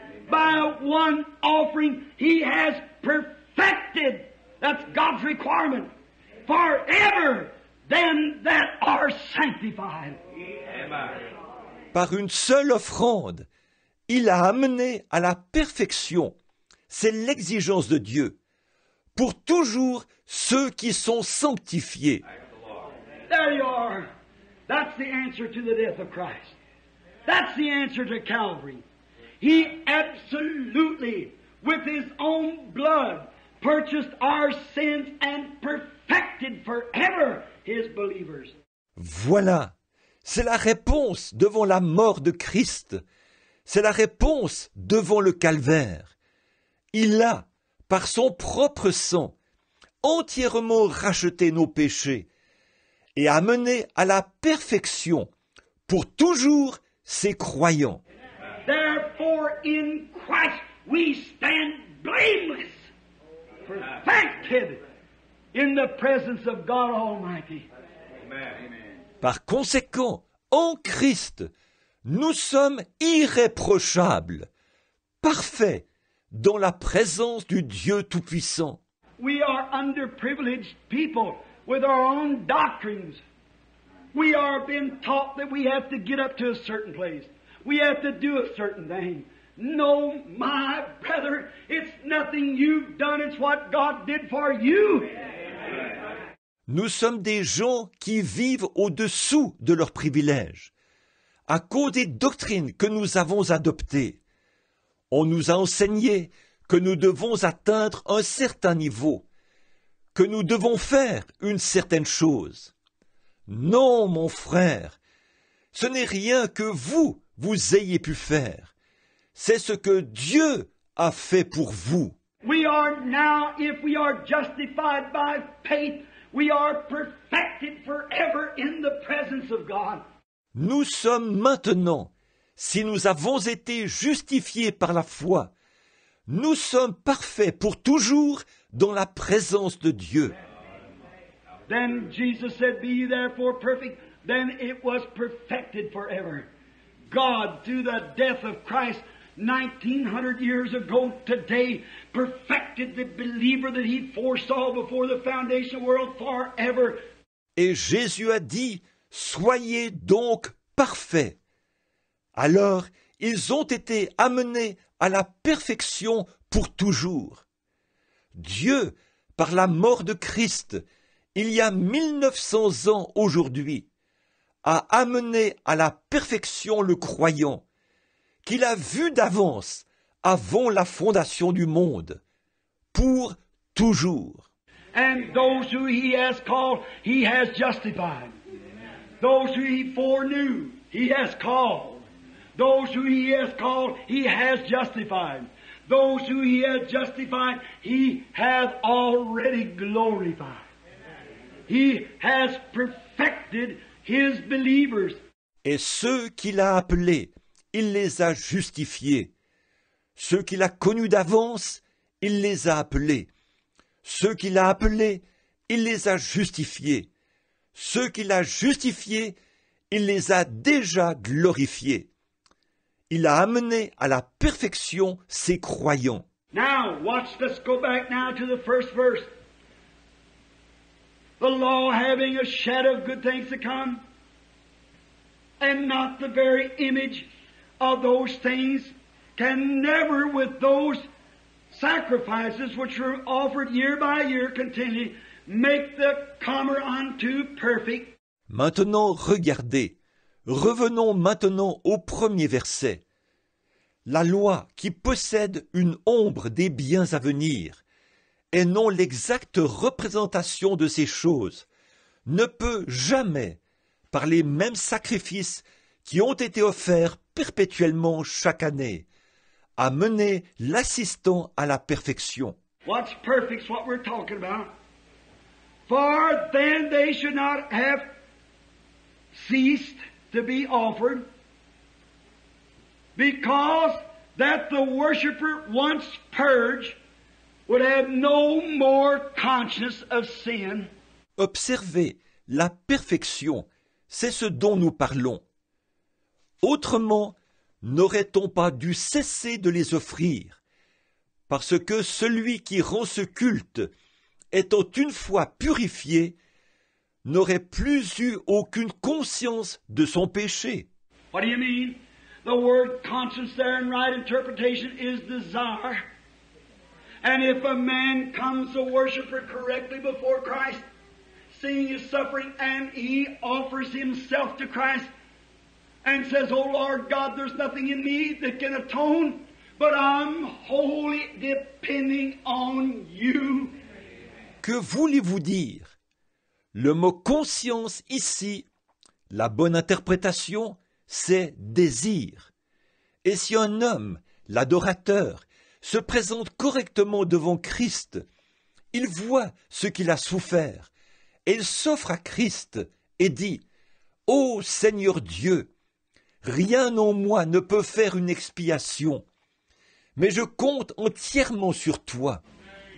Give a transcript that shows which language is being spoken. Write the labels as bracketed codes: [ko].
[en] By one offering, he has perfected, that's God's requirement, forever. Then that are sanctified. [fr] Par une seule offrande, il a amené à la perfection, c'est l'exigence de Dieu, pour toujours ceux qui sont sanctifiés. [en] There you are. That's the answer to the death of Christ. That's the answer to Calvary. He absolutely, with his own blood, purchased our sins and perfected forever. His believers. [fr] Voilà, c'est la réponse devant la mort de Christ. C'est la réponse devant le calvaire. Il a, par son propre sang, entièrement racheté nos péchés et amené à la perfection pour toujours ses croyants. [en] Therefore, in Christ, we stand blameless, perfected. In the presence of God Almighty. Amen. [fr] Par conséquent, en Christ, nous sommes irréprochables, parfaits, dans la présence du Dieu Tout-Puissant. [en] We are underprivileged people with our own doctrines. We are being taught that we have to get up to a certain place. We have to do a certain thing. No, my brother, it's nothing you've done, it's what God did for you. [fr] Nous sommes des gens qui vivent au-dessous de leurs privilèges, à cause des doctrines que nous avons adoptées. On nous a enseigné que nous devons atteindre un certain niveau, que nous devons faire une certaine chose. Non, mon frère, ce n'est rien que vous, vous ayez pu faire. C'est ce que Dieu a fait pour vous. [en] We are now, if we are justified by faith, We are perfected forever in the presence of God. [fr] Nous sommes maintenant, si nous avons été justifiés par la foi, nous sommes parfaits pour toujours dans la présence de Dieu. [en] Then Jesus said, "Be ye therefore perfect." Then it was perfected forever. God, through the death of Christ 1900 years ago today, perfected the believer that he foresaw before the foundation world forever. [fr] Et Jésus a dit, soyez donc parfaits. Alors, ils ont été amenés à la perfection pour toujours. Dieu, par la mort de Christ, il y a 1900 ans aujourd'hui, a amené à la perfection le croyant, qu'il a vu d'avance, avant la fondation du monde, pour toujours. [en] And those who he has called, he has justified. Those who he foreknew, he has called. Those who he has called, he has justified. Those who he has justified, he has already glorified. He has perfected his believers. [fr] Et ceux qu'il a appelés, il les a justifiés. Ceux qu'il a connus d'avance, il les a appelés. Ceux qu'il a appelés, il les a justifiés. Ceux qu'il a justifiés, il les a déjà glorifiés. Il a amené à la perfection ses croyants. [en] Now, watch, let's go back now to the first verse. The law having a shadow of good things to come, and not the very image of those things, can never with those sacrifices which were offered year by year continually make the comer unto perfect. [fr] Maintenant, regardez. Revenons maintenant au premier verset. La loi qui possède une ombre des biens à venir et non l'exacte représentation de ces choses ne peut jamais, par les mêmes sacrifices qui ont été offerts perpétuellement chaque année, amener l'assistant à la perfection. [en] What's perfect is what we're talking about. For then they should not have ceased to be offered, because that the worshipper once purged would have no more conscience of sin. [fr] Observez, la perfection, c'est ce dont nous parlons. Autrement, n'aurait-on pas dû cesser de les offrir, parce que celui qui rend ce culte, étant une fois purifié, n'aurait plus eu aucune conscience de son péché. [en] What do you mean? The word conscience there in right interpretation is desire. And if a man comes a worshiper correctly before Christ, seeing his suffering, and he offers himself to Christ, and says, "O Lord God, there's nothing in me that can atone, but I'm wholly depending on you." [fr] Que voulez-vous dire? Le mot conscience ici, la bonne interprétation, c'est désir. Et si un homme, l'adorateur, se présente correctement devant Christ, il voit ce qu'il a souffert, et il s'offre à Christ et dit, « Ô Seigneur Dieu, rien en moi ne peut faire une expiation, mais je compte entièrement sur toi. »